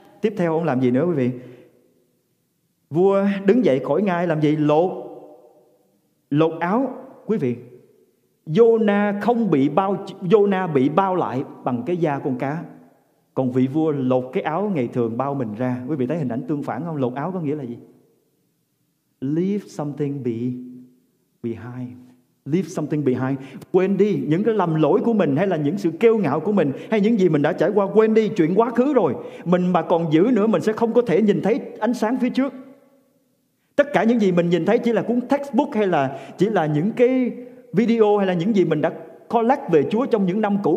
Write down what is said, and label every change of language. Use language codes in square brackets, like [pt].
[vi] Tiếp theo ông làm gì nữa quý vị? Vua đứng dậy khỏi ngai làm gì? Lột áo. Quý vị, Jonah không bị bao, Jonah bị bao lại bằng cái da con cá, còn vị vua lột cái áo ngày thường bao mình ra. Quý vị thấy hình ảnh tương phản không? Lột áo có nghĩa là gì? [en] Leave something behind. Leave something behind. [vi] Quên đi những cái lầm lỗi của mình, hay là những sự kiêu ngạo của mình, hay những gì mình đã trải qua. Quên đi, chuyện quá khứ rồi. Mình mà còn giữ nữa, mình sẽ không có thể nhìn thấy ánh sáng phía trước. Tất cả những gì mình nhìn thấy chỉ là cuốn textbook, hay là chỉ là những cái video, hay là những gì mình đã collect về Chúa trong những năm cũ.